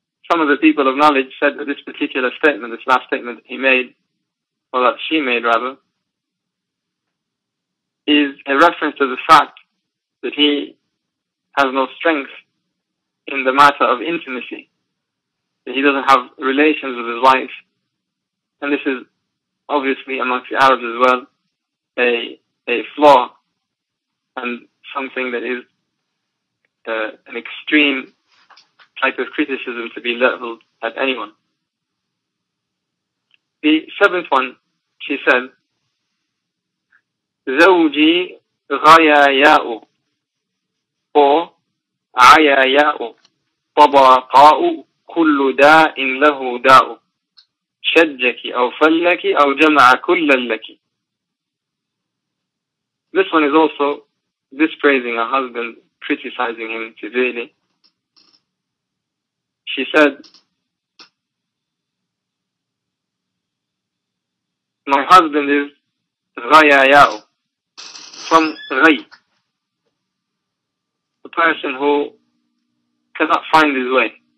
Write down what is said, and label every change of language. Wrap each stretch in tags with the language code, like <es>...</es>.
<en>Some of the people of knowledge said that this particular statement, this last statement that he made, or that she made rather, is a reference to the fact that he has no strength in the matter of intimacy, that he doesn't have relations with his wife. And this is obviously amongst the Arabs as well a flaw and something that is an extreme type of criticism to be leveled at anyone. The seventh one, she said,</en> <ar>زوجي غيايا</ar> <en>or</en> <ar>عيايا طبقاء كل داء له داء شجك أو فلك أو جمع كل لك.</ar> <en>This one is also dispraising her husband, criticizing him severely. She said, my husband is غيايا from غي, the person who cannot find his way.</en>